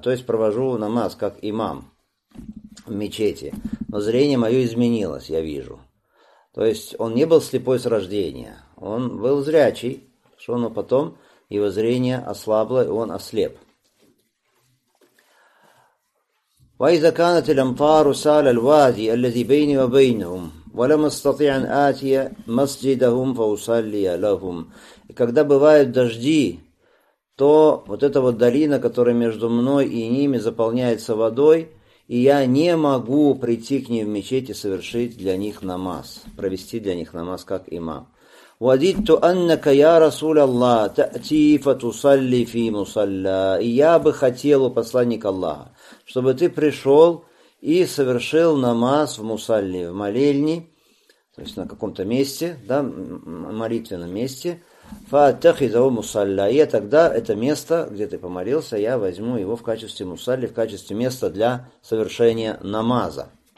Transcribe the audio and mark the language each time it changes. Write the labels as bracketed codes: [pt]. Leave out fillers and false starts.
[ru] То есть провожу намаз как имам в мечети. Но зрение мое изменилось, я вижу. То есть он не был слепой с рождения. Он был зрячий, что но потом его зрение ослабло, и он ослеп. [ar] وإذا كانت الأمطار سال الوادي الذي بيني وبينهم ولم أستطيع أن آتي مسجدهم فأصلي لهم. [ru] И когда бывают дожди, то вот эта вот долина, которая между мной и ними, заполняется водой, и я не могу прийти к ним в мечеть и совершить для них намаз, провести для них намаз как имам. [ar] وددت أنك يا رسول الله تأتي فتصلي في مصلى. [ru] И я бы хотел, у посланника Аллаха, чтобы ты пришел и совершил намаз в мусалле, в молельне, то есть на каком-то месте, да, молитвенном месте, [ar] фа-тахизаву мусалля. [ru] И тогда это место, где ты помолился, я возьму его в качестве мусалли, в качестве места для совершения намаза.